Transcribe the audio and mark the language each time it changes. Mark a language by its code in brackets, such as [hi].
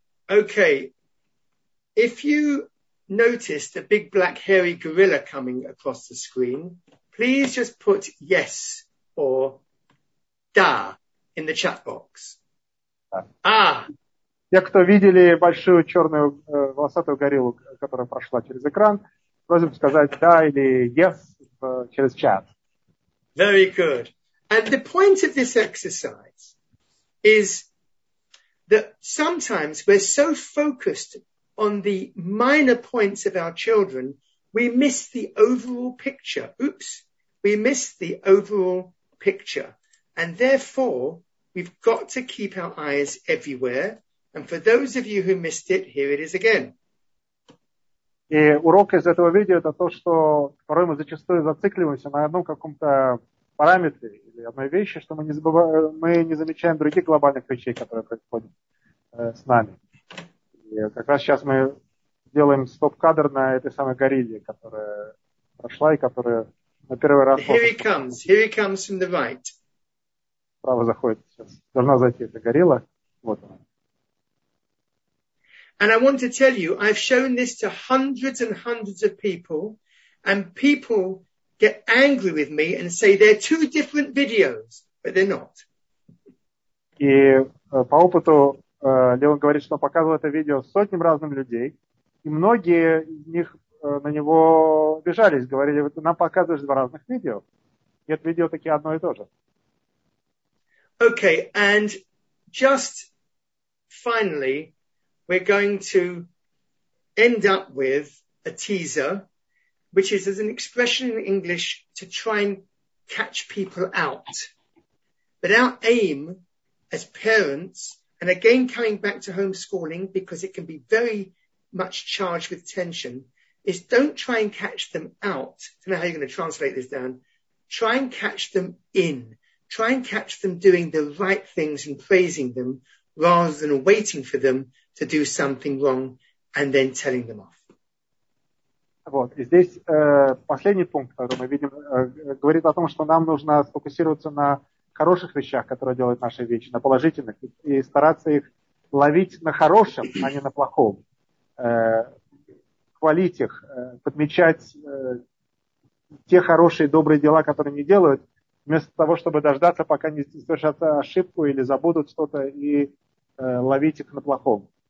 [en] Okay, if you noticed a big black hairy gorilla coming across the screen, please just put yes or da in the chat box. Ah. [ru] Те, кто видели большую черную волосатую гориллу, которая прошла через экран, просим сказать да или yes через чат. [en] Very good. And the point of this exercise is that sometimes we're so focused on the minor points of our children, we miss the overall picture. Oops. We miss the overall picture. And therefore, we've got to keep our eyes everywhere. And for those of you who missed it, here it is again. [ru] И урок из этого видео это то, что порой мы зачастую зацикливаемся на одном каком-то параметре или одной вещи, что мы не забываем, мы не замечаем других глобальных вещей, которые происходят с нами. И как раз сейчас мы делаем стоп-кадр на этой самой горилле, которая прошла и которая на первый раз... [en] Here he comes from the right. [ru] Справа заходит сейчас. Должна зайти эта горилла. Вот она. [en] And I want to tell you, I've shown this to hundreds and hundreds of people, and people get angry with me and say they're two different videos, but they're not. [ru] И по опыту Леон говорит, что показывал это видео сотням разным людей, И многие из них на него обижались, говорили, вот, нам показываешь два разных видео. И это видео таки одно и то же. [en] Okay, and just finally, we're going to end up with a teaser, which is as an expression in English to try and catch people out. But our aim as parents, and again coming back to homeschooling, because it can be very much charged with tension, is don't try and catch them out. I don't know how you're going to translate this, Dan. Try and catch them in. Try and catch them doing the right things and praising them rather than waiting for them to do something wrong and then telling them off. [ru] Вот. И здесь последний пункт, который мы видим, говорит о том, что нам нужно сфокусироваться на хороших вещах, которые делают наши дети, на положительных, и стараться их ловить на хорошем, а не на плохом. Хвалить их, подмечать те хорошие, добрые дела, которые они делают, вместо того, чтобы дождаться, пока не совершат ошибку или забудут что-то, и ловить их на плохом.